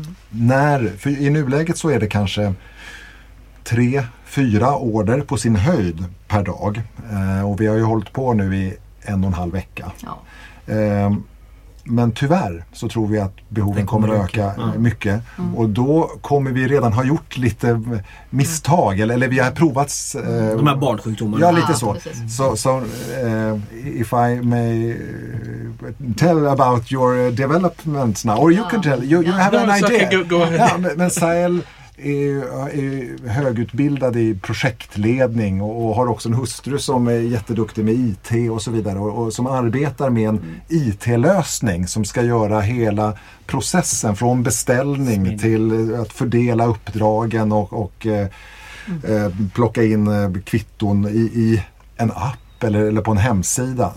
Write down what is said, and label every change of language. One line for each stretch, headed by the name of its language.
Swedish: När, för i nuläget så är det kanske 3-4 order på sin höjd per dag. Och vi har ju hållit på nu i 1,5 vecka. Ja. Men tyvärr så tror vi att behoven kommer att öka mycket. Mm. Och då kommer vi redan ha gjort lite misstag. Eller vi har provat... De här barnsjukdomarna. Ja, lite så.
English: So, if I may tell about your development now. Or you can tell. You have an idea. Okay, go ahead.
Swedish: Ja, men Sahel är högutbildad i projektledning och har också en hustru som är jätteduktig med IT och så vidare och som arbetar med en IT-lösning som ska göra hela processen från beställning till att fördela uppdragen och plocka in kvitton i en app eller på en hemsida.